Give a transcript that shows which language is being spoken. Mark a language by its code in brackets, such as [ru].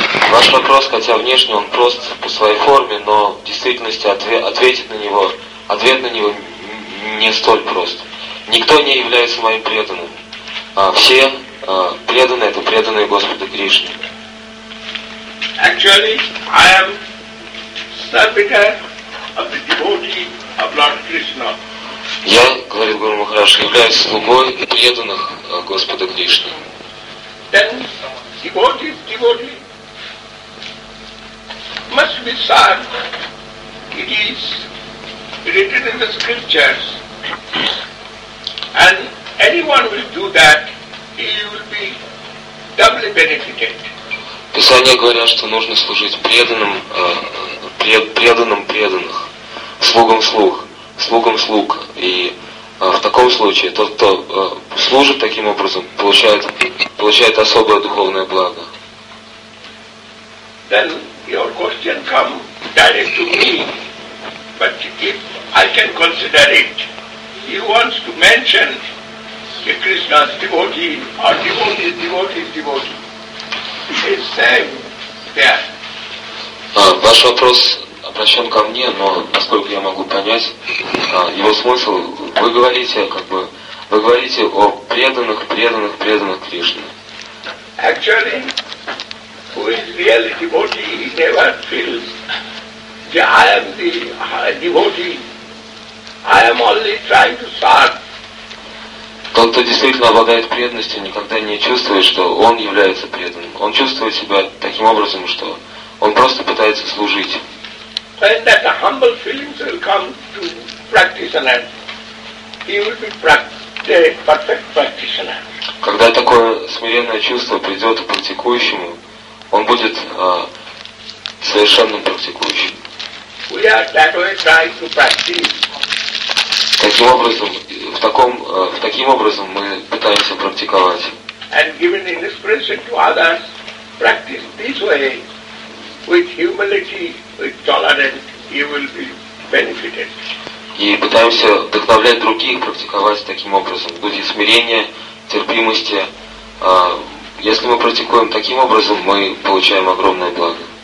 [ru] Ваш вопрос, хотя внешне он прост по своей форме, но в действительности ответ на него не столь прост. Никто не является моим преданным. Все преданные — это преданные Господу Кришне. [en] Actually, I am servitor of the devotee of Lord Krishna. [ru] Я, говорит Гуру Махарадж, являюсь слугой преданных Господа Кришны. [en] Then devotee must be served. It is written in the scriptures. And anyone will do that, he will be doubly benefited. [ru] Писания говорят, что нужно служить преданным, преданным преданных, слугам слуг, слугам слуг. И в таком случае тот, кто служит таким образом, получает особое духовное благо. [en] Then your question come direct to me, but if I can consider it. He wants to mention the Krishna's devotee, or devotee's devotee. It's same there. [ru] Ваш вопрос обращен ко мне, но насколько я могу понять его смысл, вы говорите о преданных Кришне. [en] Actually, who is really devotee, he never feels that I am the devotee. I am only trying to serve. [ru] Тот, кто действительно обладает преданностью, никогда не чувствует, что он является преданным. Он чувствует себя таким образом, что он просто пытается служить. [en] When that humble feelings will come to practitioner, he will be the perfect practitioner. [ru] Когда такое смиренное чувство придет к практикующему, он будет совершенным практикующим. [en] We are that way trying to practice. [ru] Таким образом мы пытаемся практиковать. [en] And giving inspiration to others, practice this way, with humility, with tolerance, you will be benefited. [ru] И пытаемся вдохновлять других практиковать таким образом, в духе смирения, терпимости. Если мы практикуем таким образом, мы получаем огромное благо.